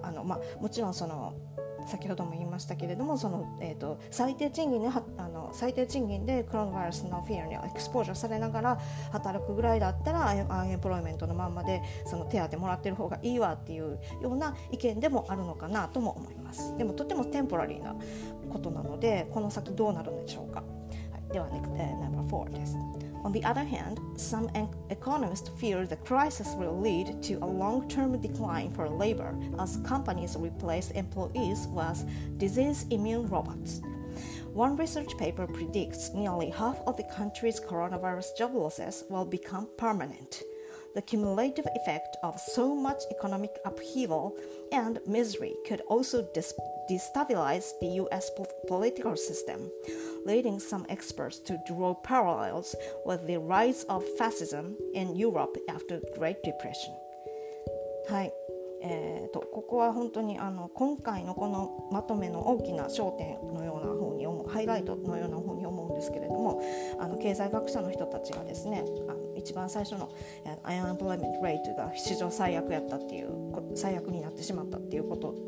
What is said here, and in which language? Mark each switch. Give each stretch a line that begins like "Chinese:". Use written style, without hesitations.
Japanese: あの、まあ、もちろんその先ほども言いましたけれども、その、最低賃金で、あの、最低賃金でコロナウイルスのフィアにエクスポージャーされながら働くぐらいだったらアンエンプロイメントのまんまでその手当もらってる方がいいわっていうような意見でもあるのかなとも思います。でもとてもテンポラリーなことなのでこの先どうなるんでしょうか、はい、ではネクテナンバー4です。
English: On the other hand, some economists fear the crisis will lead to a long-term decline for labor as companies replace employees with disease-immune robots. One research paper predicts nearly half of the country's coronavirus job losses will become permanent. The cumulative effect of so much economic upheaval and misery could also destabilize the U.S. political system. Leading some experts to draw parallels with the rise of fascism in Europe after the Great Depression.
Japanese: はい、ここは本当にあの今回のこのまとめの大きな焦点のような方に思う、ハイライトのような方に思うんですけれども、あの経済学者の人たちがですね、あの一番最初のunemployment rate が史上最悪やったっていう、最悪になってしまったっていうこ